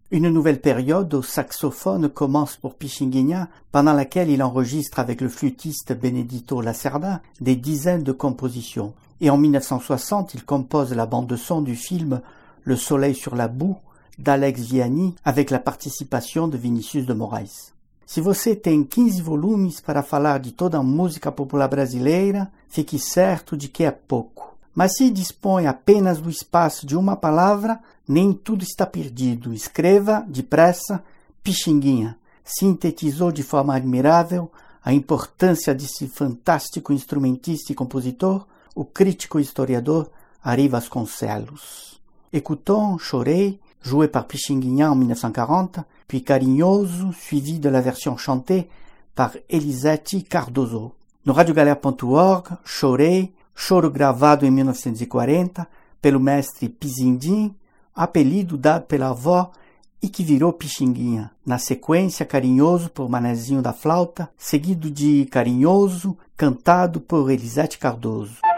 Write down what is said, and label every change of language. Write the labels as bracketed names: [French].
[French] Une nouvelle période au saxophone commence pour Pichinguinha, pendant laquelle il enregistre avec le flûtiste Benedito Lacerda des dizaines de compositions. Et en 1960, il compose la bande-son du film Le soleil sur la boue d'Alex Viani avec la participation de Vinicius de Moraes. [Portuguese] Si você tem 15 volumes para falar de toda a música popular brasileira, fique certo de que é pouco. Mas se dispõe apenas do espaço de uma palavra, nem tudo está perdido. Escreva, depressa, Pichinguinha. Sintetizou de forma admirável a importância desse fantástico instrumentista e compositor, o crítico e historiador Ary Vasconcelos. [French] Écoutons Chorei, joué par Pichinguinha en 1940, puis Carinhoso, suivi de la version chantée par Elisete Cardoso. [Portuguese] No radiogalera.org, Chorei, choro gravado em 1940 pelo mestre Pizindin, apelido dado pela avó e que virou Pichinguinha. Na sequência, Carinhoso por Manezinho da Flauta, seguido de Carinhoso, cantado por Elisete Cardoso.